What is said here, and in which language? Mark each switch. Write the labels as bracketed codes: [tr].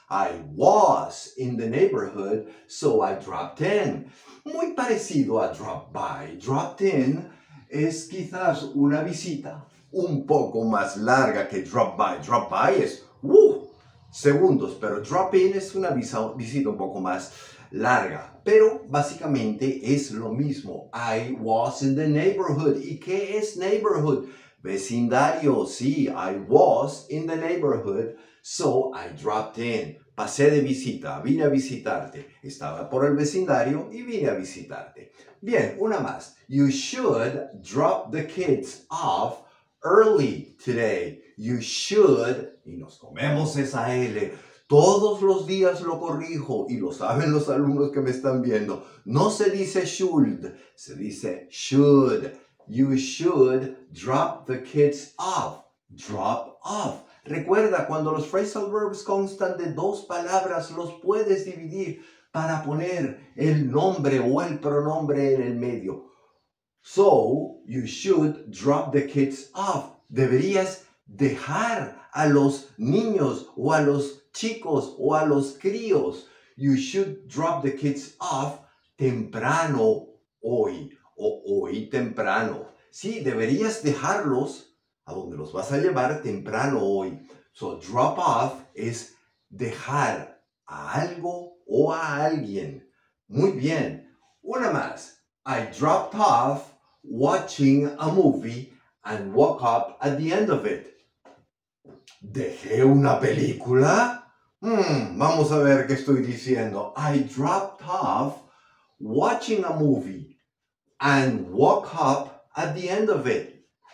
[en] I was in the neighborhood, so I dropped in. [es] Muy parecido a drop by. Dropped in es quizás una visita un poco más larga que drop by. Drop by es segundos, pero drop in es una visita un poco más larga. Pero básicamente es lo mismo. [en] I was in the neighborhood. [es] ¿Y qué es neighborhood? Vecindario, sí. [en] I was in the neighborhood, so I dropped in. [es] Pasé de visita, vine a visitarte. Estaba por el vecindario y vine a visitarte. Bien, una más. [en] You should drop the kids off early today. You should, [es] y nos comemos esa L. Todos los días lo corrijo y lo saben los alumnos que me están viendo. No se dice should, se dice should. [en] You should drop the kids off. Drop off. [es] Recuerda, cuando los phrasal verbs constan de 2 palabras, los puedes dividir para poner el nombre o el pronombre en el medio. [en] So, you should drop the kids off. [es] Deberías dejar a los niños o a los chicos o a los críos. [en] You should drop the kids off [es] temprano hoy. O hoy temprano. Sí, deberías dejarlos a donde los vas a llevar temprano hoy. So, drop off es dejar a algo o a alguien. Muy bien. Una más. [en] I dropped off watching a movie and woke up at the end of it. [es] ¿Dejé una película? Vamos a ver qué estoy diciendo. [en] I dropped off watching a movie and woke up at the end of it.